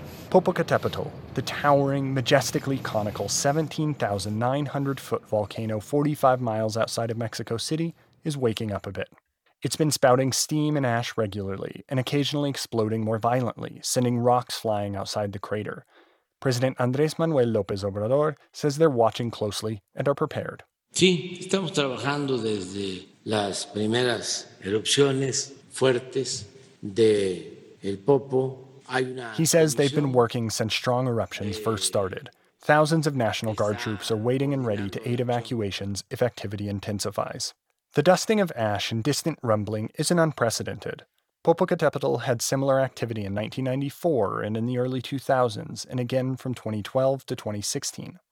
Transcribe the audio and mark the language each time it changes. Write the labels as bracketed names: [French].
[English] Popocatépetl, the towering, majestically conical 17,900-foot volcano 45 miles outside of Mexico City, is waking up a bit. It's been spouting steam and ash regularly, and occasionally exploding more violently, sending rocks flying outside the crater. President Andrés Manuel López Obrador says they're watching closely and are prepared. [Spanish] Sí, estamos trabajando desde las primeras erupciones fuertes de El Popo. [English] He says they've been working since strong eruptions first started. Thousands of National Guard troops are waiting and ready to aid evacuations if activity intensifies. The dusting of ash and distant rumbling isn't unprecedented. Popocatépetl had similar activity in 1994 and in the early 2000s, and again from 2012 to 2016.